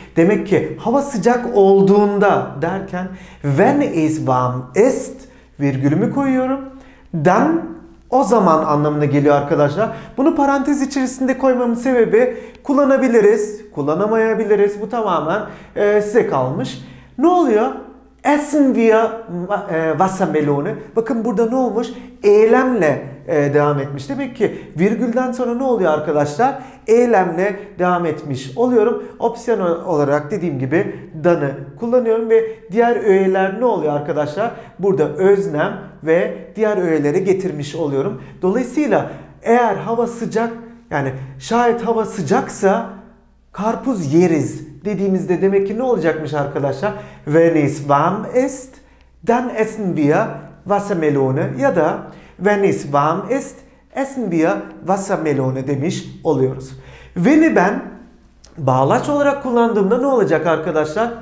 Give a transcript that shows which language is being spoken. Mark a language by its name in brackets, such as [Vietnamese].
[Turkish] Demek ki hava sıcak olduğunda derken [German] wenn es warm ist, [Turkish] virgülümü koyuyorum. Dan, o zaman anlamına geliyor arkadaşlar. Bunu parantez içerisinde koymamın sebebi, kullanabiliriz, kullanamayabiliriz. Bu tamamen size kalmış. Ne oluyor? [German] Essen wir Wassermelone. [Turkish] Bakın burada ne olmuş? Eylemle devam etmiş. Demek ki virgülden sonra ne oluyor arkadaşlar? Eylemle devam etmiş oluyorum. Opsiyon olarak dediğim gibi dan'ı kullanıyorum ve diğer öğeler ne oluyor arkadaşlar? Burada öznem ve diğer öğeleri getirmiş oluyorum. Dolayısıyla eğer hava sıcak, yani şayet hava sıcaksa karpuz yeriz dediğimizde demek ki ne olacakmış arkadaşlar? [German] Wenn es warm ist, dann essen wir Wassermelone, [Turkish] ya da [German] wenn es warm ist, essen wir Wassermelone [Turkish] demiş oluyoruz. Wenn'i ben bağlaç olarak kullandığımda ne olacak arkadaşlar?